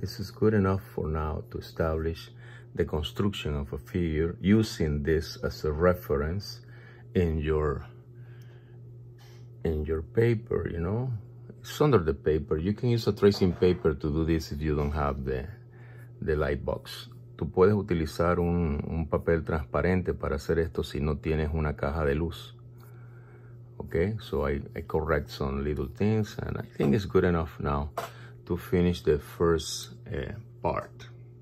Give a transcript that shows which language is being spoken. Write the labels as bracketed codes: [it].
[en] This is good enough for now to establish the construction of a figure using this as a reference in your paper. You know, it's under the paper. You can use a tracing paper to do this if you don't have the light box. [es] Tú puedes utilizar un papel transparente para hacer esto si no tienes una caja de luz. [en] Okay, so I correct some little things and I think it's good enough now to finish the first part.